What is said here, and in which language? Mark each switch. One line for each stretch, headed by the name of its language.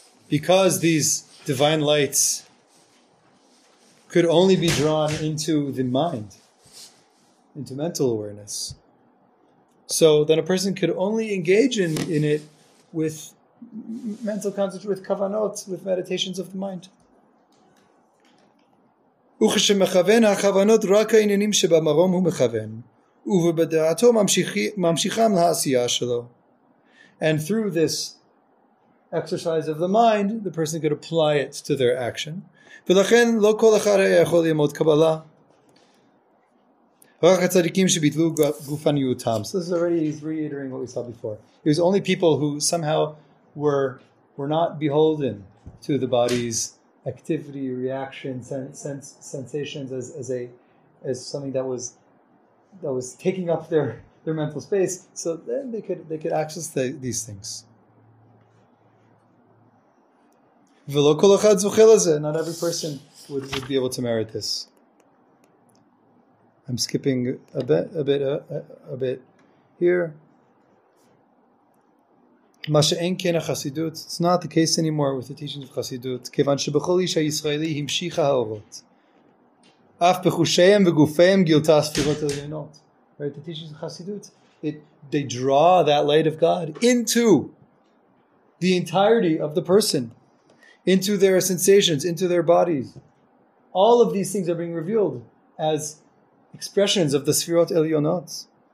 English: Because these divine lights could only be drawn into the mind, into mental awareness. So then a person could only engage in it with mental concentration, with kavanot, with meditations of the mind.
Hebrew: וכשמכוון הכוונות רק העניינים שבמרום הוא מכוון, ובדעתו ממשיכם לעשייה שלו.
English: And through this exercise of the mind, the person could apply it to their action.
Hebrew: ולכן לא כל אחד יכול ללמוד קבלה. רק הצדיקים שביטלו גופניותם.
English: So this is already, he's reiterating what we saw before. It was only people who somehow were not beholden to the body's activity, reaction, sensations as something that was taking up their mental space. So then they could access these things. Not every person would be able to merit this. I'm skipping a bit here.
Hebrew: מה שאין כן החסידות,
English: it's not the case anymore with the teachings of
Hebrew: חסידות, כיוון שבכל איש הישראלי המשיכה האורות. אף בחושיהם וגופיהם גילתה ספירות עליונות.
English: Right, the teachings of חסידות, they draw that light of God into the entirety of the person, into their sensations, into their bodies. All of these things are being revealed as expressions of the Sefirot Elyonot.